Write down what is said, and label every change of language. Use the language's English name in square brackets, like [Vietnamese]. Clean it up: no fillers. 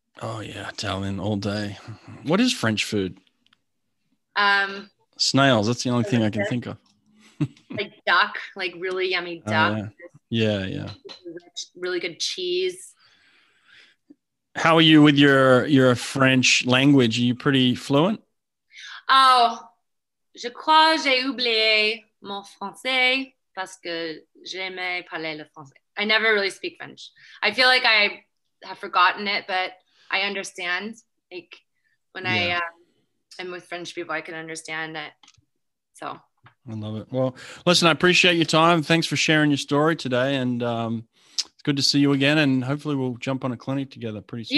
[English] Oh yeah, Italian all day. What is French food? Snails. That's the only thing I can think of. Like duck, like really yummy duck. Yeah. Rich, really good cheese. How are you with your French language? Are you pretty fluent? [French] Oh, je crois j'ai oublié mon français. Parce que j'aimais parler le français. [English] I never really speak French. I feel like I have forgotten it, but I understand. Like when I'm with French people, I can understand it. So I love it. Well, listen, I appreciate your time. Thanks for sharing your story today. And it's good to see you again. And hopefully we'll jump on a clinic together pretty soon.